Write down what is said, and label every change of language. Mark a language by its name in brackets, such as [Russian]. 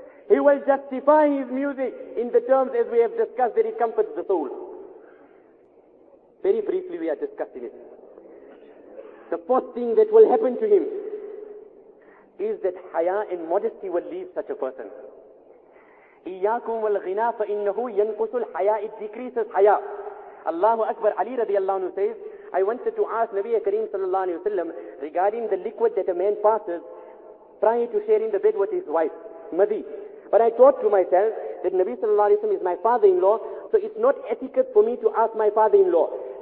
[English] He will justify his music in the terms as we have discussed that it comforts the soul. Very briefly we are discussing it. The fourth thing that will happen to him is that haya and modesty will leave such a person. [Arabic] إِيَّاكُمْ وَالْغِنَى فَإِنَّهُ يَنْقُسُ الْحَيَاءِ [English] It decreases haya. Allahu Akbar, Ali radiallahu anhu says, I wanted to ask Nabiya Kareem sallallahu alayhi wa sallam regarding the liquid that a man passes prior to sharing the bed with his wife, madhi. But I thought to myself that Nabi sallallahu alayhi wa sallam is my father-in-law, so it's not etiquette for me to ask my father-in-law.